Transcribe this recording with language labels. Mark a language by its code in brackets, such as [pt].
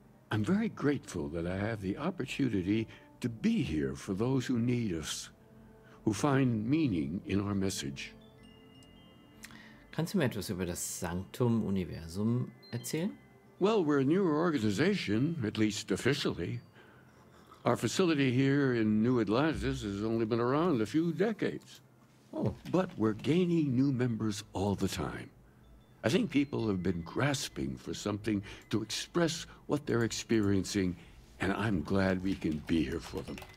[en] I'm very grateful that I have the opportunity to be here for those who need us, who find meaning in our message. [de] Kannst du mir etwas über das Sanctum Universum erzählen? [en] Well, we're a newer organization, at least officially. Our facility here in New Atlantis has only been around a few decades. Oh. But we're gaining new members all the time. I think people have been grasping for something to express what they're experiencing, and I'm glad we can be here for them.